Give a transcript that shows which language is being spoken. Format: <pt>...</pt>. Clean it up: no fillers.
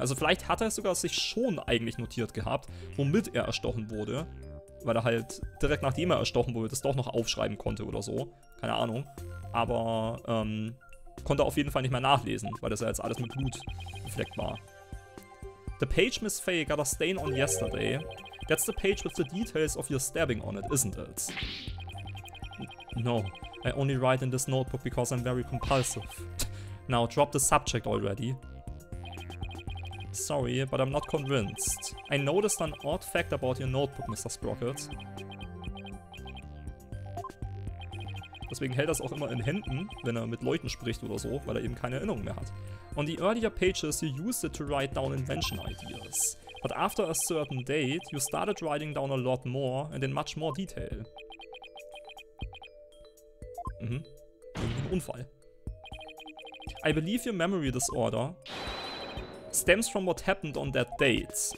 <de>Also vielleicht hat er sogar sich schon eigentlich notiert gehabt, womit er erstochen wurde. Weil er halt direkt nachdem er erstochen wurde, das doch noch aufschreiben konnte oder so. Keine Ahnung. Aber konnte auf jeden Fall nicht mehr nachlesen, weil das ja jetzt alles mit Blut befleckt war.</de> <en>The page Miss Faye got a stain on yesterday. That's the page with the details of your stabbing on it, isn't it? No. I only write in this notebook because I'm very compulsive. Now drop the subject already. Sorry, but I'm not convinced. I noticed an odd fact about your notebook, Mr. Sprocket.</en> <de>Deswegen hält er es auch immer in Händen, wenn er mit Leuten spricht oder so, weil er eben keine Erinnerung mehr hat.</de> <en>On the earlier pages, you used it to write down invention ideas. But after a certain date, you started writing down a lot more and in much more detail. Mhm.</en> <de>Ein Unfall.</de> <en>I believe your memory disorder stems from what happened on that date.</en>